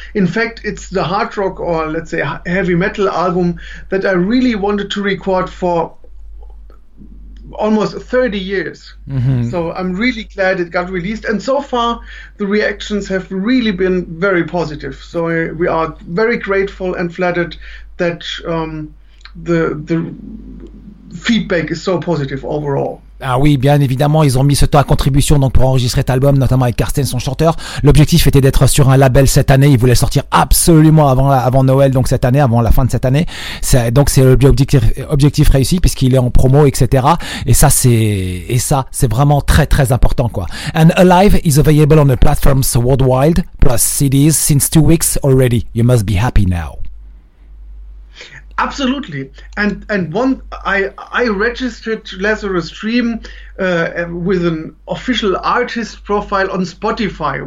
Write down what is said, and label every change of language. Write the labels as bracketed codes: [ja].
[en] In fact, it's the hard rock, or let's say heavy metal album, that I really wanted to record for almost 30 years. Mm-hmm. So I'm really glad it got released. And so far, the reactions have really been very positive. So we are very grateful and flattered that the feedback is so positive overall. [fr] Ah oui, bien évidemment, ils ont mis ce temps à contribution donc pour enregistrer cet album, notamment avec Carsten, son chanteur. L'objectif était d'être sur un label cette année. Ils voulaient sortir absolument avant Noël, donc cette année, avant la fin de cette année. C'est l'objectif réussi puisqu'il est en promo, etc. Et ça, c'est vraiment très très important, quoi. [en] And Alive is available on the platforms worldwide plus CDs since 2 weeks already. You must be happy now. Absolutely. And one, I registered Lazarus Dream with an official artist profile on Spotify.